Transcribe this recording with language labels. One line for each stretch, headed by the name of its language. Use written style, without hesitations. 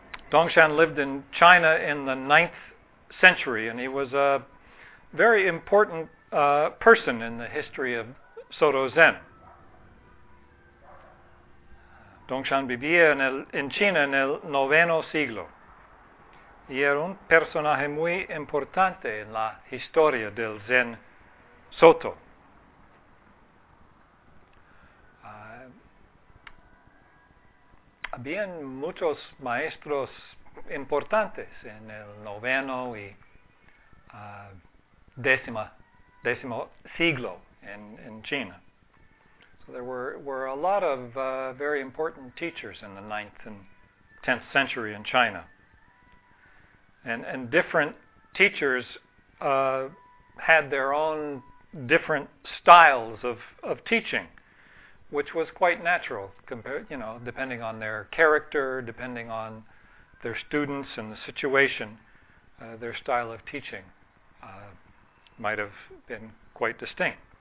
English: Dongshan lived in China in the 9th century, and he was a very important person in the history of Soto Zen.
Spanish: Dongshan vivía en China en el noveno siglo, y era un personaje muy importante en la historia del Zen Soto. Habían muchos maestros importantes en el noveno y décimo siglo en China.
English: So there were a lot of very important teachers in the 9th and 10th century in China. And different teachers had their own different styles of teaching, which was quite natural, compared, you know, depending on their character, depending on their students and the situation, their style of teaching might have been quite distinct.